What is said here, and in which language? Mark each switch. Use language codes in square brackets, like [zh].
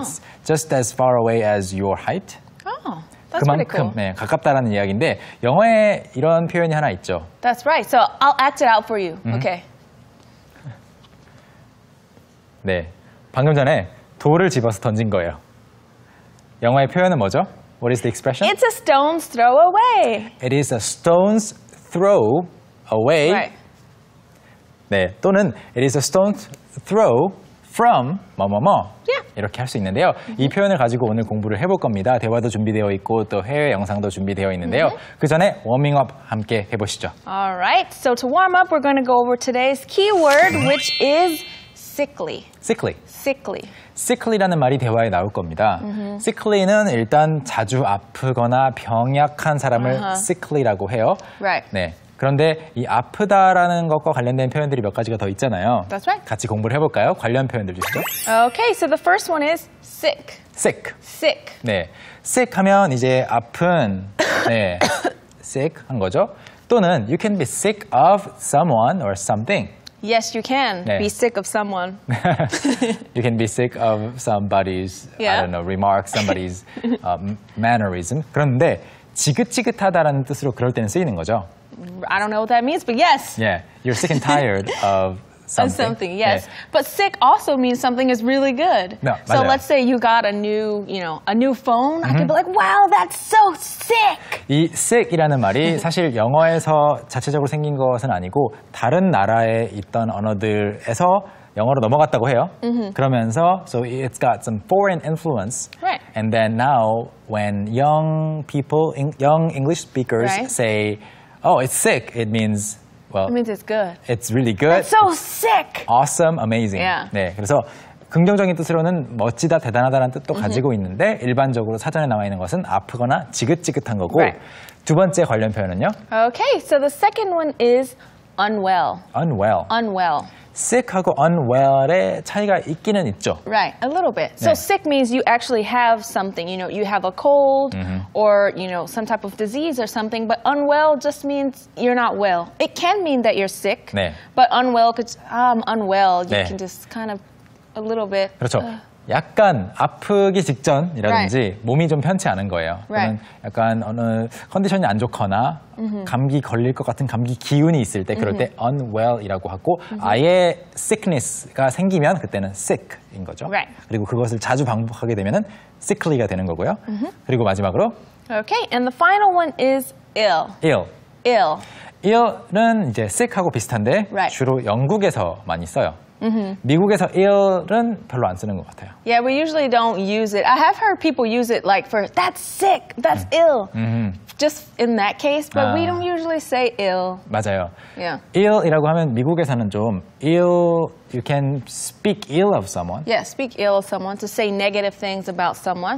[en] it's just as far away as your height. Oh. That's [ko] 그만큼 네, 가깝다라는 이야기인데 영어에 이런 표현이 하나 있죠. [en] That's right. So I'll act it out for you. Mm-hmm. Okay. [ko] 네, 방금 전에 돌을 집어서 던진 거예요. 영어의 표현은 뭐죠? [en] What is the expression? It's a stone's throw away. It is a stone's throw away. Right. [ko] 네, 또는 [en] it is a stone's throw from [ko] 뭐뭐뭐. [en] Yeah. [ko] 이렇게 할 수 있는데요. Mm-hmm. 이 표현을 가지고 오늘 공부를 해볼 겁니다. 대화도 준비되어 있고 또 해외 영상도 준비되어 있는데요. Mm-hmm. 그 전에 워밍업 함께 해보시죠. [en] All right. So to warm up, we're going to go over today's keyword, which is sickly. Sickly. Sickly. [ko] Sickly라는 말이 대화에 나올 겁니다. Mm-hmm. Sickly는 일단 자주 아프거나 병약한 사람을 uh-huh. sickly라고 해요. [en] Right. [ko] 네. 그런데 이 아프다라는 것과 관련된 표현들이 몇 가지가 더 있잖아요. [en] That's right. [ko] 같이 공부를 해볼까요? 관련 표현들 주시죠. [en] Okay, so the first one is sick. Sick. Sick. [ko] 네, sick 하면 이제 아픈, 네, sick 한 거죠. 또는 [en] you can be sick of someone or something. Yes, you can [ko] 네. [en] be sick of someone. you can be sick of somebody's, yeah. I don't know, remarks, somebody's mannerism. [ko] 그런데 지긋지긋하다라는 뜻으로 그럴 때는 쓰이는 거죠. [en] I don't know what that means, but yes. Yeah, you're sick and tired of something. of something, yes. Yeah. But sick also means something is really good. No, so [ko] 맞아요. [en] let's say you got a new, you know, a new phone. Mm-hmm. I can be like, wow, that's so sick. [ko] 이 sick이라는 말이 사실 영어에서 자체적으로 생긴 것은 아니고 다른 나라에 있던 언어들에서 영어로 넘어갔다고 해요. Mm-hmm. 그러면서 [en] so it's got some foreign influence. Right. And then now when young people, young English speakers right. say, Oh, it's sick. It means, well... It means it's good. It's really good. It's so sick! Awesome, amazing. Yeah. [ko] 네, 그래서 긍정적인 뜻으로는 멋지다, 대단하다라는 뜻도 mm-hmm. 가지고 있는데 일반적으로 사전에 나와 있는 것은 아프거나 지긋지긋한 거고 [en] right. [ko] 두 번째 관련 표현은요? [en] Okay, so the second one is unwell. Unwell. Unwell. [ko] Sick하고 unwell의 차이가 있기는 있죠. [en] Right, a little bit. [ko] 네. [en] So sick means you actually have something. You know, you have a cold mm-hmm. or, you know, some type of disease or something. But unwell just means you're not well. It can mean that you're sick. [ko] 네. [en] But unwell, 'cause I'm unwell. You [ko] 네. [en] can just kind of a little bit. [ko] 그렇죠. 약간 아프기 직전이라든지 [en] right. [ko] 몸이 좀 편치 않은 거예요. [en] Right. [ko] 약간 어느 컨디션이 안 좋거나 mm-hmm. 감기 걸릴 것 같은 감기 기운이 있을 때 그럴 mm-hmm. 때 unwell이라고 하고 mm-hmm. 아예 sickness가 생기면 그때는 sick인 거죠. [en] Right. [ko] 그리고 그것을 자주 반복하게 되면 sickly가 되는 거고요. Mm-hmm. 그리고 마지막으로 [en] Okay, and the final one is ill. Ill. Ill. [ko] Ill은 이제 sick하고 비슷한데 [en] right. [ko] 주로 영국에서 많이 써요. Mm-hmm. 미국에서 ill은 별로 안 쓰는 것 같아요. [en] Yeah, we usually don't use it. I have heard people use it like for that's sick, that's ill. Mm-hmm. Just in that case, but 아. we don't usually say ill. [ko] 맞아요. [en] Yeah. [ko] ill이라고 하면 미국에서는 좀 [en] ill, you can speak ill of someone. Yeah, speak ill of someone, to say negative things about someone.